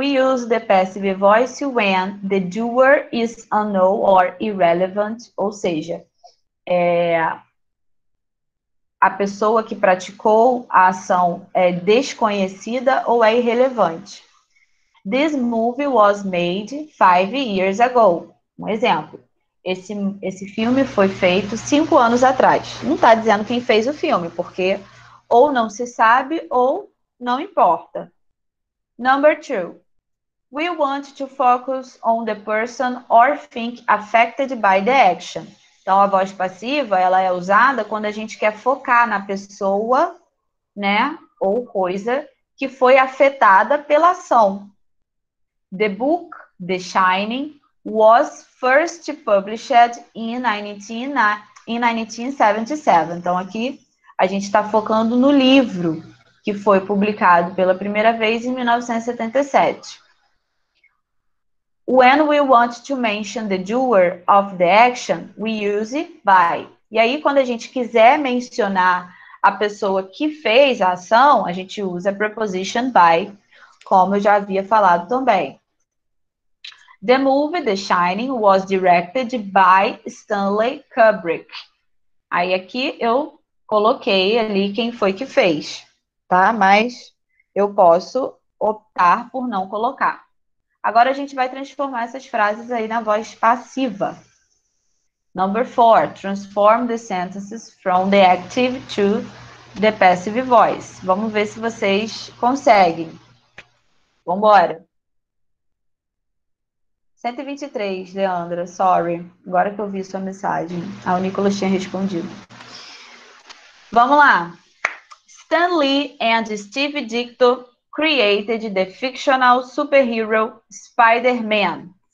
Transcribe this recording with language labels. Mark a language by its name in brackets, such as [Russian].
[English] We use the passive voice when the doer is unknown or irrelevant, [Portuguese] ou seja, a pessoa que praticou a ação é desconhecida ou é irrelevante. [English] This movie was made 5 years ago. [Portuguese] Um exemplo. Esse filme foi feito 5 anos atrás. Não está dizendo quem fez o filme, porque ou não se sabe ou não importa. [English] Number two. We want to focus on the person or thing affected by the action. [Portuguese] Então, a voz passiva, ela é usada quando a gente quer focar na pessoa, né, ou coisa que foi afetada pela ação. [English] The book, The Shining, was first published in 1977. [Portuguese] Então, aqui a gente está focando no livro que foi publicado pela primeira vez em 1977. [English] When we want to mention the doer of the action, we use by. [Portuguese] E aí, quando a gente quiser mencionar a pessoa que fez a ação, a gente usa a preposition by, como eu já havia falado também. [English] The movie The Shining was directed by Stanley Kubrick. [Portuguese] Aí, aqui eu coloquei ali quem foi que fez. Tá? Mas eu posso optar por não colocar. Agora a gente vai transformar essas frases aí na voz passiva. [English] Number four, transform the sentences from the active to the passive voice. [Portuguese] Vamos ver se vocês conseguem. Vambora. [English] 123, Leandra, sorry. [Portuguese] Agora que eu vi sua mensagem, o Nicolas tinha respondido. Vamos lá. [English] Stan Lee and Steve Ditko created the fictional superhero Spider-Man.